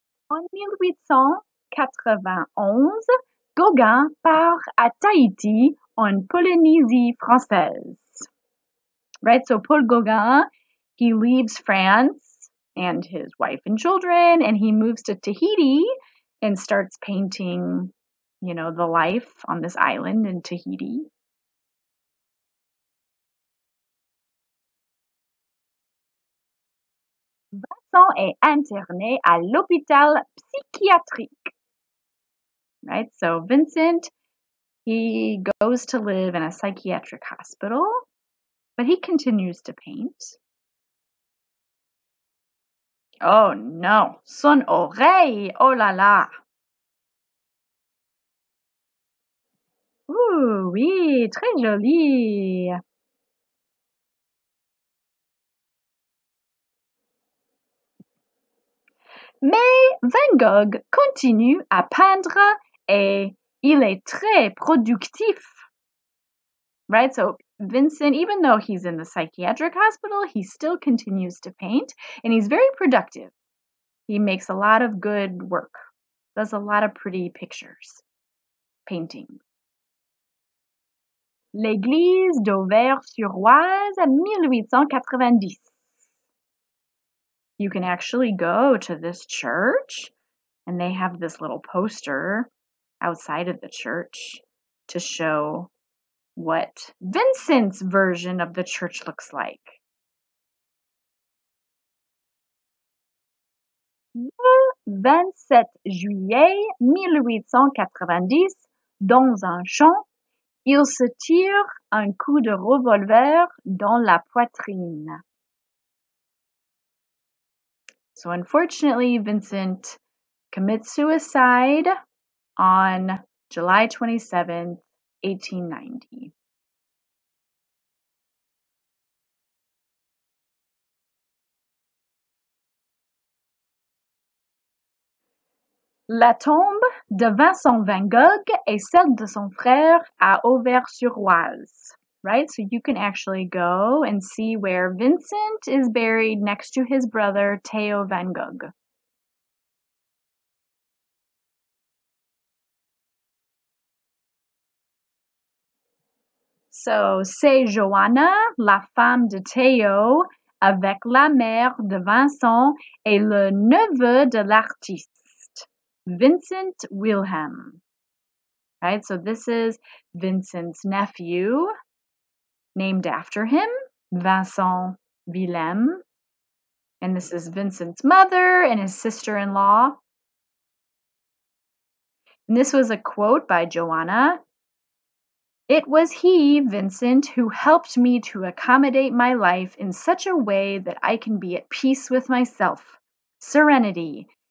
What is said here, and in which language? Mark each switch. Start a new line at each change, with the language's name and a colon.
French: En 1891, Gauguin part à Tahiti en Polynésie française.
English: Right, so Paul Gauguin, he leaves France and his wife and children, and he moves to Tahiti and starts painting, you know, the life on this island in Tahiti.
French: Vincent est interné à l'hôpital psychiatrique.
English: Right, so Vincent, he goes to live in a psychiatric hospital, but he continues to paint.
French: Oh no, son oreille, oh la la. Ooh, oui, très joli. Mais Van Gogh continue à peindre et il est très productif.
English: Right, so Vincent, even though he's in the psychiatric hospital, he still continues to paint and he's very productive. He makes a lot of good work, does a lot of pretty pictures, painting.
French: L'église d'Auvers-sur-Oise à 1890.
English: You can actually go to this church, and they have this little poster outside of the church to show what Vincent's version of the church looks like.
French: Le 27 juillet 1890, dans un champ, il se tire un coup de revolver dans la poitrine.
English: So unfortunately, Vincent commits suicide on July 27, 1890.
French: La tombe de Vincent Van Gogh est celle de son frère à Auvers-sur-Oise, right?
English: So you can actually go and see where Vincent is buried next to his brother, Theo Van Gogh.
French: So, c'est Joanna, la femme de Theo, avec la mère de Vincent et le neveu de l'artiste.
English: Vincent Wilhelm, right? So this is Vincent's nephew, named after him, Vincent Wilhelm. And this is Vincent's mother and his sister-in-law. And this was a quote by Joanna. It was he, Vincent, who helped me to accommodate my life in such a way that I can be at peace with myself. Serenity.